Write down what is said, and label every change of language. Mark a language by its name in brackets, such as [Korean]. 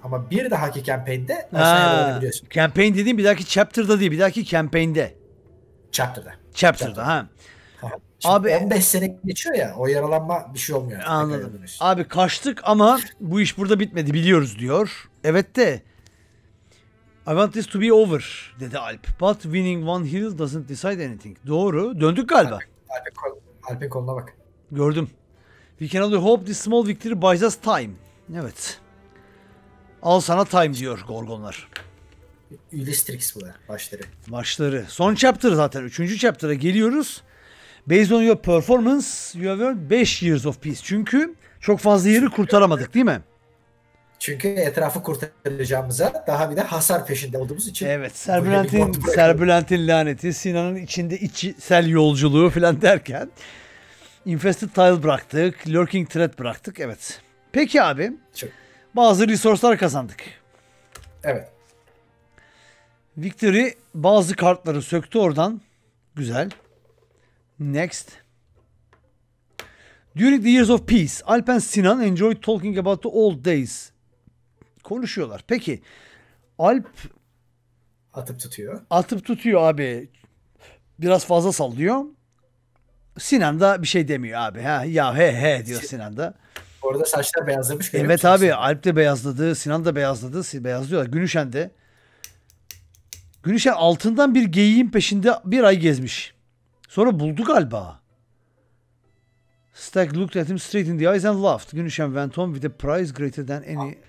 [Turkish] Ama bir dahaki campaign'de nasıl yaralanabiliyorsun? Campaign dediğin bir dahaki chapter'da değil. Bir dahaki campaign'de. Chapter'da. Ha. Abi 15 sene geçiyor ya. O yaralanma bir şey olmuyor. Anladım. Abi kaçtık ama bu iş burada bitmedi biliyoruz diyor. Evet de [English] I want this to be over [Turkish] dedi Alp. [English] But winning one hill doesn't decide anything. [Turkish] Doğru. Döndük galiba. Alp'in koluna bak. Gördüm. [English] We can only hope this small victory buys us time. [Turkish] Evet. Al sana time diyor Gorgonlar. Ulistrix bu da başları. Başları. Son chapter zaten. Üçüncü chapter'a geliyoruz. [English] Based on your performance you have earned 5 years of peace. [Turkish] Çünkü çok fazla yeri kurtaramadık değil mi? Çünkü etrafı kurtaracağımıza daha bir de hasar peşinde olduğumuz için. Evet. Serbülent'in laneti, Sinan'ın içinde içsel yolculuğu falan derken Infested Tile bıraktık. Lurking Threat bıraktık. Evet. Peki abi. Bazı resource'lar kazandık. Evet. Victory bazı kartları söktü oradan. Güzel. Next. [English] During the years of peace, Alp and Sinan enjoyed talking about the old days. [Turkish] Konuşuyorlar. Peki. Alp Atıp tutuyor abi. Biraz fazla sallıyor. Sinan da bir şey demiyor abi. Ha ya he diyor Sinan da. Orada saçlar beyazlamış. Evet abi. Sen? Alp de beyazladı. Sinan da beyazladı. Beyazlıyorlar. Günüşen de. Günüşen altından bir geyiğin peşinde bir ay gezmiş. Sonra buldu galiba. [English] Stack looked at him straight in the eyes and laughed. Günüşen went on with a prize greater than any.